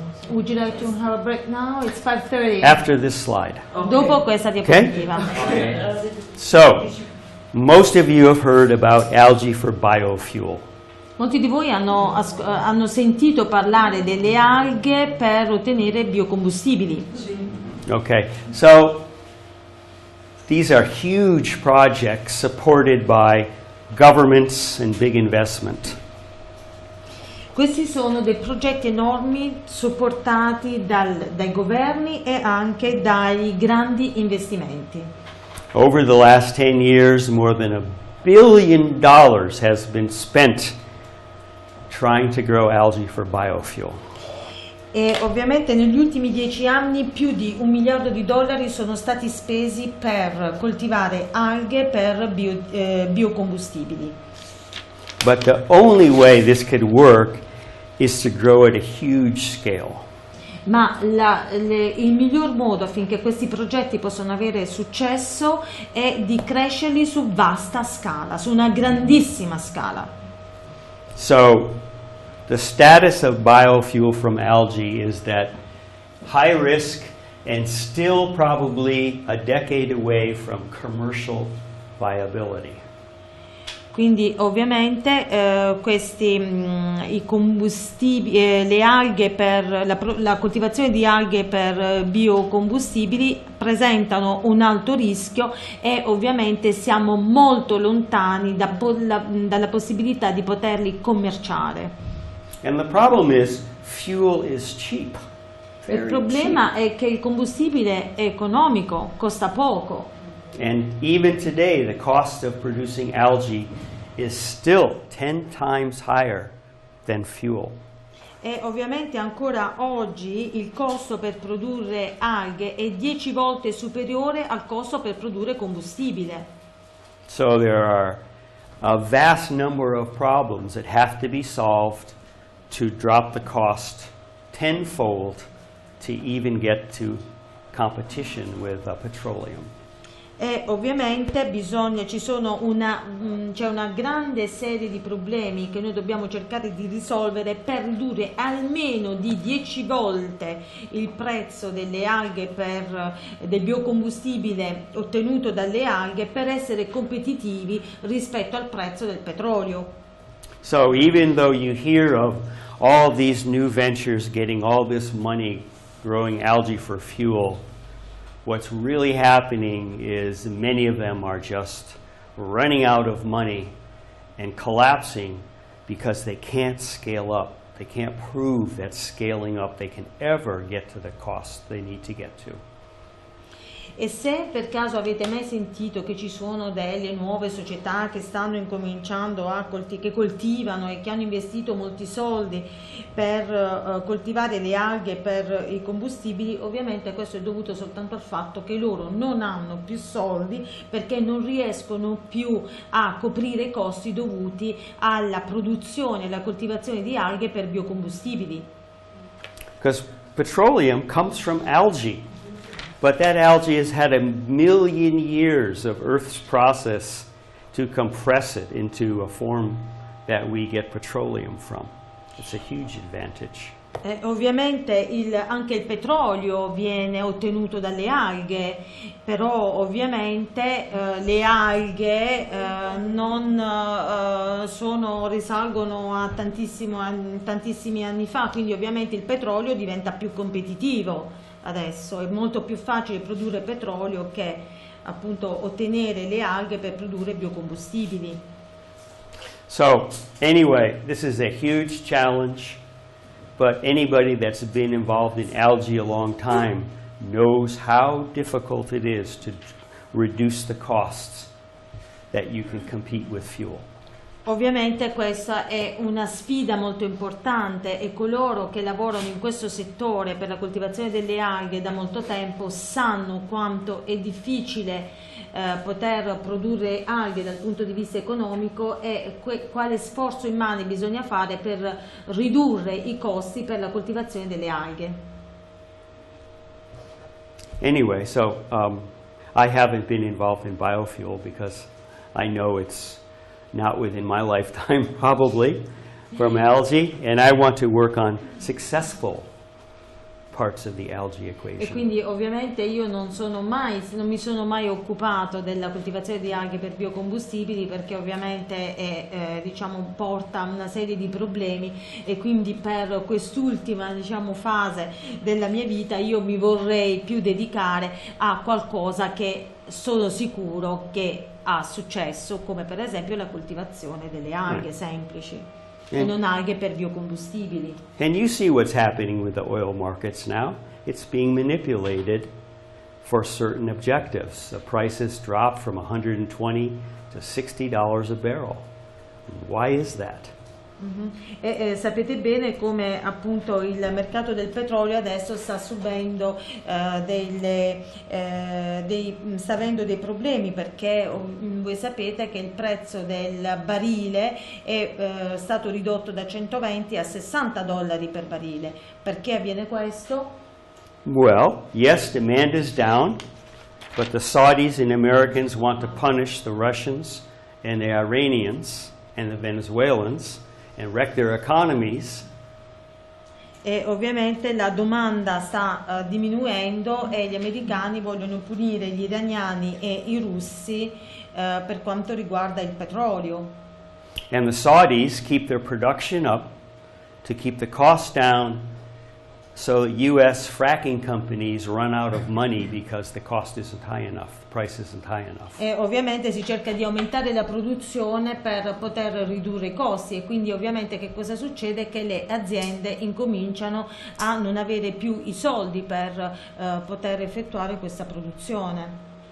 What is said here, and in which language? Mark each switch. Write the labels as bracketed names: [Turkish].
[English] would you like to have a break now? It's 5:30. After this slide. [Italian] Dopo questa diapositiva. [English] So, most of you have heard about algae for biofuel. [Italian] Molti di voi hanno sentito parlare delle alghe per ottenere biocombustibili. [English] Okay, so these are huge projects supported by governments and big investment. [Italian] Questi sono dei progetti enormi supportati dai governi e anche dai grandi investimenti. [English] Over the last 10 years, more than $1 billion has been spent trying to grow algae for biofuel. [Italian] E ovviamente negli ultimi 10 anni più di $1 miliardo sono stati spesi per coltivare alghe per biocombustibili. [English] But the only way this could work is to grow at a huge scale. [Italian] Ma il miglior modo affinché questi progetti possano avere successo è di crescerli su vasta scala, su una grandissima scala. [English] So the status of biofuel from algae is that high risk and still probably a decade away from commercial viability. [Italian] Quindi ovviamente questi i combustibili le alghe per la coltivazione di alghe per biocombustibili presentano un alto rischio e ovviamente siamo molto lontani dalla possibilità di poterli commerciare. [English] And the problem is fuel is cheap. [Italian] Il problema è che il combustibile è economico, costa poco. [English] And even today the cost of producing algae is still 10 times higher than fuel. [Italian] E ovviamente ancora oggi il costo per produrre alghe è 10 volte superiore al costo per produrre combustibile. [English] So there are a vast number of problems that have to be solved to drop the cost tenfold to even get to competition with petroleum. [Italian] E ovviamente bisogna, ci sono una, c'è una grande serie di problemi che noi dobbiamo cercare di risolvere per ridurre almeno di 10 volte il prezzo delle alghe, per del biocombustibile ottenuto dalle alghe, per essere competitivi rispetto al prezzo del petrolio. [English] So even though you hear of all these new ventures getting all this money growing algae for fuel, what's really happening is many of them are just running out of money and collapsing because they can't scale up. They can't prove that scaling up they can ever get to the cost they need to get to. [Italian] E se per caso avete mai sentito che ci sono delle nuove società che stanno incominciando a che coltivano e che hanno investito molti soldi per coltivare le alghe per i combustibili, ovviamente questo è dovuto soltanto al fatto che loro non hanno più soldi perché non riescono più a coprire i costi dovuti alla produzione e alla coltivazione di alghe per biocombustibili. [English] Because petroleum comes from algae. But that algae has had a million years of Earth's process to compress it into a form that we get petroleum from. It's a huge advantage. [Italian] Ovviamente anche il petrolio viene ottenuto dalle alghe, però ovviamente le alghe non sono, risalgono a tantissimi anni fa, quindi ovviamente il petrolio diventa più competitivo. Adesso è molto più facile produrre petrolio che appunto ottenere le alghe per produrre biocombustibili. [English] So, anyway, this is a huge challenge, but anybody that's been involved in algae a long time knows how difficult it is to reduce the costs that you can compete with fuel. [Italian] Ovviamente questa è una sfida molto importante e coloro che lavorano in questo settore per la coltivazione delle alghe da molto tempo sanno quanto è difficile poter produrre alghe dal punto di vista economico e quale sforzo immane bisogna fare per ridurre i costi per la coltivazione delle alghe. [English] Anyway, so I haven't been involved in biofuel because I know it's not within my lifetime, probably, from algae, and I want to work on successful parts of the algae equation. [Italian] E quindi ovviamente io non mi sono mai occupato della coltivazione di alghe per biocombustibili, perché ovviamente è, diciamo, porta una serie di problemi, e quindi per quest'ultima, diciamo, fase della mia vita io mi vorrei più dedicare a qualcosa che sono sicuro che ha successo, come per esempio la coltivazione delle alghe semplici e non alghe per biocombustibili. [English] And you see what's happening with the oil markets now? It's being manipulated for certain objectives. The prices drop from $120 to $60 a barrel. Why is that? [Italian] Sapete bene come appunto il mercato del petrolio adesso sta subendo sta avendo dei problemi, perché voi sapete che il prezzo del barile è stato ridotto da 120 a $60 per barile. Perché avviene questo? [English] Well, yes, demand is down, but the Saudis and Americans want to punish the Russians and the Iranians and the Venezuelans and wreck their economies. [Italian] E ovviamente la domanda sta diminuendo e gli americani vogliono punire gli iraniani e i russi per quanto riguarda il petrolio. [English] And the Saudis keep their production up to keep the cost down, so US fracking companies run out of money because the cost isn't high enough, the price isn't high enough. [Italian] E ovviamente si cerca di aumentare la produzione per poter ridurre i costi, e quindi ovviamente che cosa succede? Che le aziende incominciano a non avere più i soldi per poter effettuare questa produzione.